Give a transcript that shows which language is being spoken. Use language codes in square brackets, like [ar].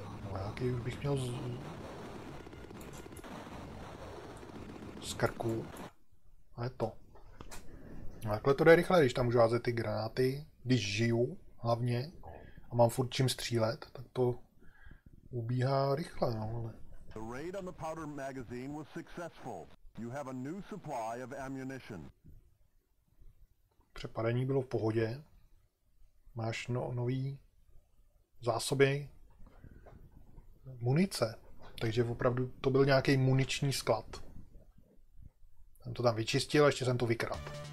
[cs] Vojáky už bych měl z krku. A je to. No takhle to jde rychle, když tam můžu házet ty granáty, když žiju hlavně a mám furt čím střílet, tak to ubíhá rychle, no ale. [en] The raid on the powder magazine was successful. You have a new supply of ammunition. [cs] Přepadení bylo v pohodě. Máš nový zásoby munice. Takže opravdu to byl nějaký muniční sklad. Jsem to tam vyčistil a ještě jsem to vykradl.